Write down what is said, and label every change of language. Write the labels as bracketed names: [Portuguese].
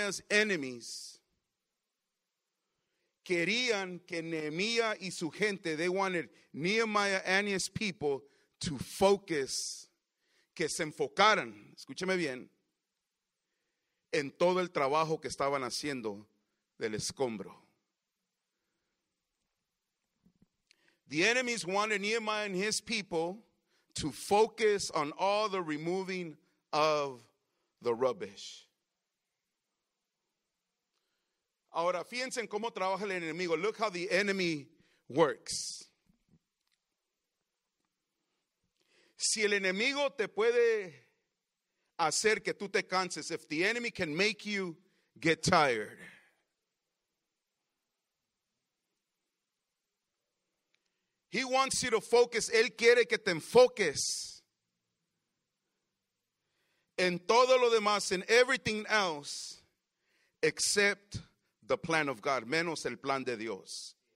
[Spanish] enemies, querían que Nehemías y su gente, [English] they wanted Nehemiah and his people to focus, [Spanish] que se enfocaran, escúcheme bien, en todo el trabajo que estaban haciendo del escombro. [English] The enemies wanted Nehemiah and his people to focus on all the removing of the rubbish. [Spanish] Ahora, fíjense en cómo trabaja el enemigo. [English] Look how the enemy works. [Spanish] Si el enemigo te puede hacer que tú te canses, [English] if the enemy can make you get tired, he wants you to focus, [Spanish] él quiere que te enfoques en todo lo demás, [English] in everything else, except the plan of God, [Spanish] menos el plan de Dios.